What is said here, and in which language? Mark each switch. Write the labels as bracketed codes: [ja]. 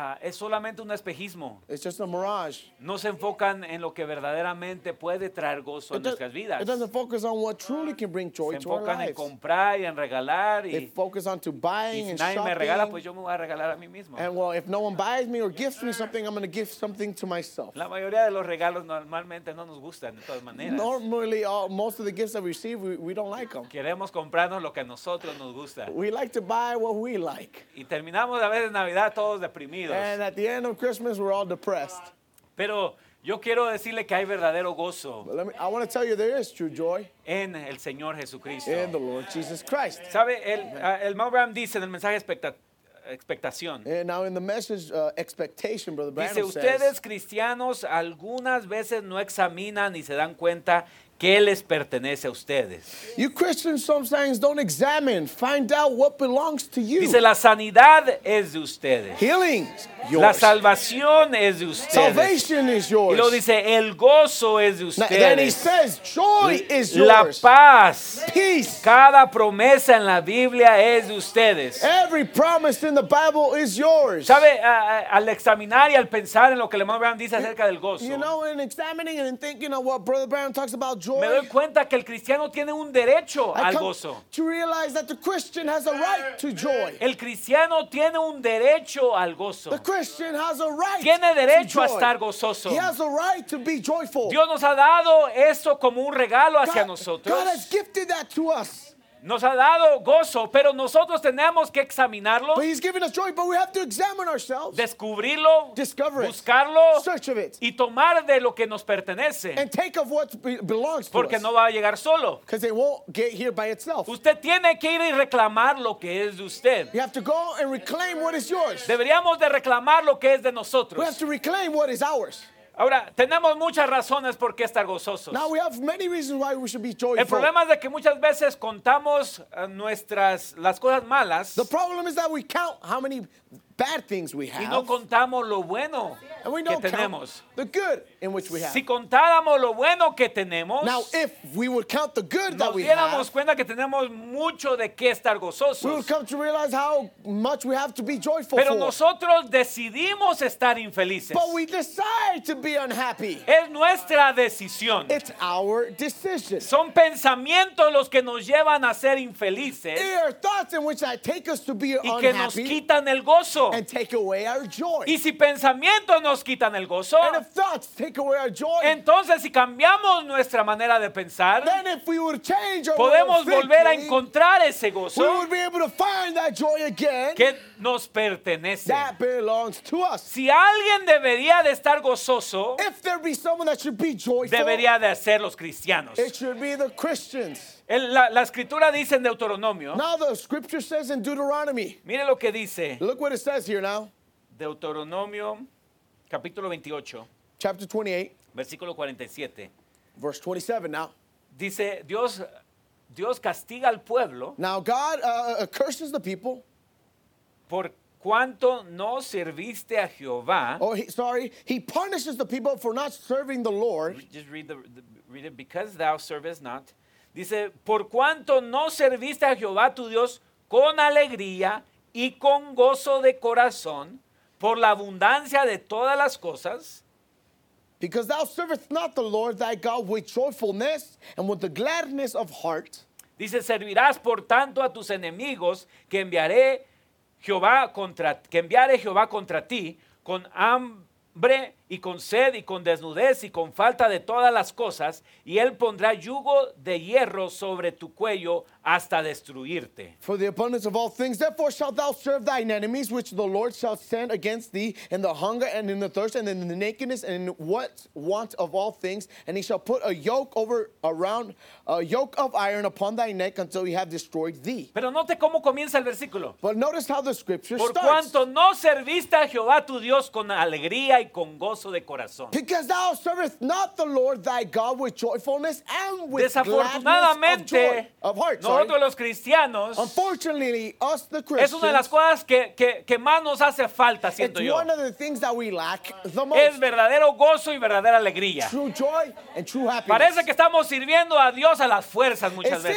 [es] Es solamente un espejismo. [en] It's just a mirage. [es] No se enfocan en lo que verdaderamente puede traer gozo en nuestras vidas. [en] It doesn't focus on what truly can bring joy to our lives. [es] Se enfocan en comprar y en regalar. [en] They focus on to buying and shopping. [es] Y si nadie me regala, pues yo me voy a regalar a mí mismo. [en] And well, if no one buys me or gifts me something, I'm going to give something to myself. [es] La mayoría de los regalos normalmente no nos gustan de todas maneras. [en] Normally, most of the gifts that we receive, we don't like them. [es] Queremos comprarnos lo que a nosotros nos gusta. [en] We like to buy what we like. [es] Y terminamos a veces Navidad todos deprimidos. [en] And at the end of Christmas, we're all depressed. [es] Pero yo quiero decirle que hay verdadero gozo. [en] I want to tell you there is true joy. [es] En el Señor Jesucristo. [en] In the Lord Jesus Christ. [es] ¿Sabe? El Mel Brown dice en el mensaje expectación. [en] And now in the message expectation, Brother Branham [es] dice, ustedes cristianos algunas veces no examinan y se dan cuenta que les pertenece a ustedes. [en] You Christians sometimes don't examine, find out what belongs to you. [es] Dice, la sanidad es de ustedes. [en] Healing is yours. [es] La salvación es de ustedes. [en] Salvation is yours. [es] Y luego dice, el gozo es de ustedes. [en] Now, then he says, joy is yours. [es] La paz. [en] Peace. [es] Cada promesa en la Biblia es de ustedes. [en] Every promise in the Bible is yours. [es] ¿Sabe? Al examinar y al pensar en lo que el hermano Brown dice acerca del gozo. [en] You know, in examining and in thinking of what Brother Brown talks about. [es] Me doy cuenta que el cristiano tiene un derecho al gozo. [en] To realize that the Christian has a right to joy. [es] El cristiano tiene un derecho al gozo. [en] The Christian has a right. [es] Tiene derecho a estar gozoso. [en] He has a right to be joyful. [es] Dios nos ha dado eso como un regalo hacia nosotros. [en] God has gifted that to us. [es] Nos ha dado gozo, pero nosotros tenemos que examinarlo. [en] But he's giving us joy, but we have to examine ourselves. [es] Descubrirlo. [en] Discover it. [es] Buscarlo. [en] Search of it. [es] Y tomar de lo que nos pertenece. [en] And take of what belongs to us. [es] Porque no va a llegar solo. [en] Because it won't get here by itself. [es] Usted tiene que ir y reclamar lo que es de usted. [en] You have to go and reclaim what is yours. [es] Deberíamos de reclamar lo que es de nosotros. [en] We have to reclaim what is ours. [es] Ahora, tenemos muchas razones por qué estar gozosos. [en] Now we have many reasons why we should be joyful. [es] El problema es de que muchas veces contamos nuestras las cosas malas. [en] The problem is that we count how many bad things we have. [es] Y no contamos lo bueno que tenemos. [en] The good in which we have. [es] Si contáramos lo bueno que tenemos. [en] Now if we would count the good that we have. [es] Nos diéramos cuenta que tenemos mucho de qué estar gozosos. [en] We would come to realize how much we have to be joyful [es] Pero [en] for. [es] Pero nosotros decidimos estar infelices. [en] But we decide to be unhappy. [es] Es nuestra decisión. [en] It's our decision. [es] Son pensamientos los que nos llevan a ser infelices. [en] They are thoughts in which that take us to be unhappy. [es] Y que nos quitan el gozo. [en] And take away our joy. [es] Y si pensamientos nos quitan el gozo. [en] And if thoughts take away our joy. [es] Entonces si cambiamos nuestra manera de pensar. [en] Then if we would change our [es] podemos volver a encontrar ese gozo. [en] We would be able to find that joy again. [es] Que nos pertenece. [en] That belongs to us. [es] Si alguien debería de estar gozoso. [en] If there be someone that should be joyful. [es] Debería de ser los cristianos. [en] It should be the Christians. [es] La escritura dice en Deuteronomio. [en] Now the scripture says in Deuteronomy. [es] Mire lo que dice. [en] Look what it says here now. [es] Deuteronomio, capítulo 28. [en] Chapter 28. [es] Versículo 47. [en] Verse 27 now. [es] Dice, Dios castiga al pueblo. [en] Now God curses the people. [es] Por cuanto no serviste a Jehová. [en] Oh, he punishes the people for not serving the Lord. Just read it. Because thou servest not. [es] Dice, por cuanto no serviste a Jehová tu Dios con alegría y con gozo de corazón por la abundancia de todas las cosas. [en] Because thou servest not the Lord thy God with joyfulness and with the gladness of heart. [es] Dice, servirás por tanto a tus enemigos que enviaré Jehová contra, que enviaré Jehová contra ti con hambre y con sed y con desnudez y con falta de todas las cosas, y él pondrá yugo de hierro sobre tu cuello hasta destruirte. [en] For the abundance of all things, therefore shalt thou serve thine enemies, which the Lord shall send against thee, in the hunger and in the thirst and in the nakedness and in what want of all things, and he shall put a yoke over around a yoke of iron upon thy neck until he have destroyed thee. [es] Pero note cómo comienza el versículo. [en] But notice how the scripture starts. [es] Por cuanto no serviste a Jehová tu Dios con alegría y con gozo. [en] Because thou servest not the Lord thy God with joyfulness and with [es] desafortunadamente, [en] gladness of heart. Sorry. [es] Nosotros los cristianos, [en] unfortunately, us the Christians, [es] es una de las cosas que más nos hace falta, siento yo. [en] It's one of the things that we lack the most. [es] Es verdadero gozo y verdadera alegría. [en] True joy and true happiness. [es] Parece que estamos sirviendo a Dios a las fuerzas muchas veces.